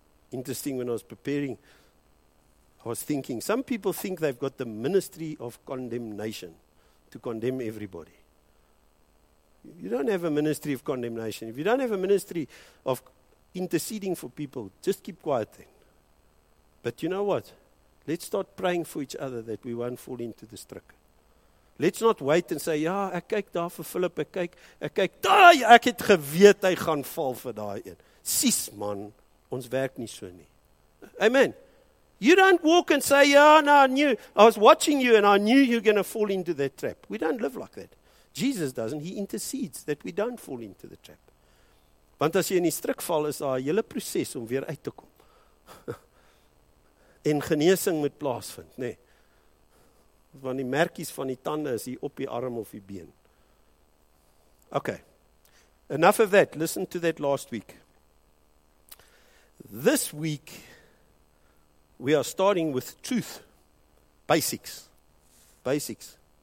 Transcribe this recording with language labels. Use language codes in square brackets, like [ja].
[en] Interesting, when I was preparing, I was thinking, some people think they've got the ministry of condemnation to condemn everybody. You don't have a ministry of condemnation. If you don't have a ministry of interceding for people, just keep quiet then. But you know what? Let's start praying for each other that we won't fall into the struck. Let's not wait and say, [af] ja, ek kyk daar vir Philip, ek kyk, daai, ek het geweet hy gaan val vir daai een. Sies man, ons werk nie so nie. [en] Amen. You don't walk and say, ja, no, I knew. I was watching you and I knew you're going to fall into that trap. We don't live like that. Jesus doesn't. He intercedes that we don't fall into the trap. [af] Want as jy in die struik val, is daar 'n hele proses om weer uit te kom. En genesing moet plaasvind, nê? Nee. Want die merkies van die tande is hier op die arm of die been. Okay. [en] Enough of that. Listen to that last week. This week, we are starting with truth. Basics. Basics.